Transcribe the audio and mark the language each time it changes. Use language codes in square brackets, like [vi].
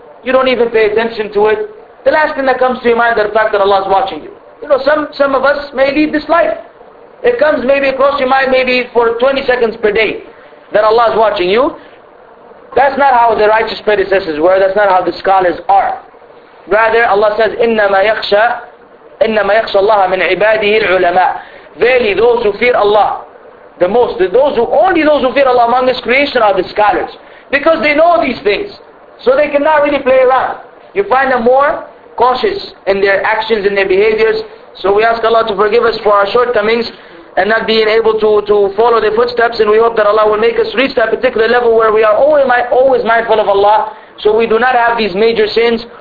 [en] You don't even pay attention to it. The last thing that comes to your mind is the fact that Allah is watching you. You know, some of us may lead this life. It comes maybe across your mind maybe for 20 seconds per day that Allah is watching you. That's not how the righteous predecessors were. That's not how the scholars are. Rather, Allah says, [ar] إنما يخشى الله من عباده العلماء. [en] Verily, those who fear Allah the most, those who fear Allah among His creation are the scholars, because they know these things, so they cannot really play around. You find them more cautious in their actions and their behaviors. So we ask Allah to forgive us for our shortcomings and not being able to follow their footsteps, and we hope that Allah will make us reach that particular level where we are always mindful of Allah, so we do not have these major sins.